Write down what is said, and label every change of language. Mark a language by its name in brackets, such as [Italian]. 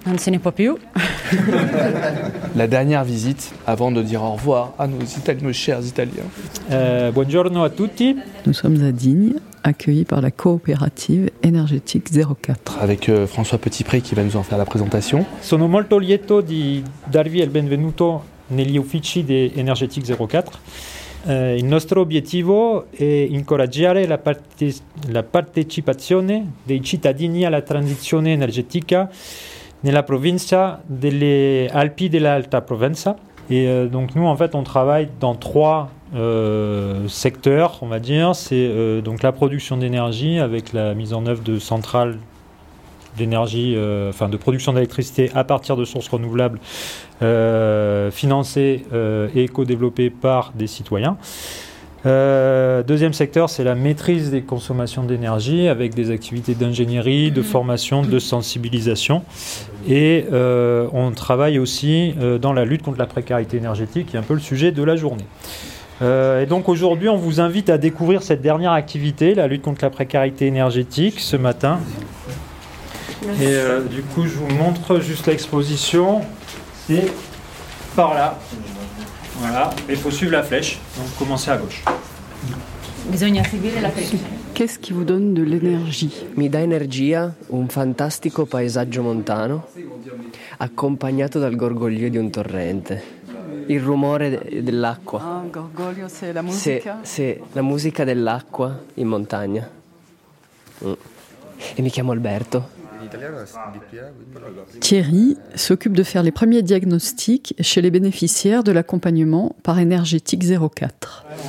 [Italian] Non se ne può più. [French] La dernière visite avant de dire au revoir à nos chers Italiens. [Italian] Buongiorno a tutti. [French] Nous sommes à Digne, accueillis par la coopérative énergétique 04. Avec François Petitpré qui va nous en faire la présentation. [Italian] Sono molto lieto di darvi il benvenuto negli uffici di Energetic 04. Il nostro obiettivo è incoraggiare la partecipazione dei cittadini alla transizione energetica nella provincia delle Alpi dell'Alta Provenza. [French] Donc nous, en fait, on travaille dans 3 secteurs, on va dire. C'est donc la production d'énergie avec la mise en œuvre de centrales d'énergie, de production d'électricité à partir de sources renouvelables financées et co-développées par des citoyens. Deuxième secteur, c'est la maîtrise des consommations d'énergie avec des activités d'ingénierie, de formation, de sensibilisation. Et on travaille aussi dans la lutte contre la précarité énergétique, qui est un peu le sujet de la journée. Donc aujourd'hui, on vous invite à découvrir cette dernière activité, la lutte contre la précarité énergétique, ce matin. Et du coup, je vous montre juste l'exposition. C'est par là. Voilà. Il faut suivre la flèche. Donc, commencez à gauche. [Italian] Bisogna seguire [French] la flèche. Qu'est-ce qui vous donne de l'énergie? [Italian] Mi dà energia un fantastico paesaggio montano, accompagnato dal gorgoglio di un torrente. Il rumore dell'acqua. [French] Ah, gorgoglio, c'est la musica. C'est [Italian] la musica dell'acqua in montagna. E mi chiamo Alberto. [French] Thierry s'occupe de faire les premiers diagnostics chez les bénéficiaires de l'accompagnement par Énergétique 04.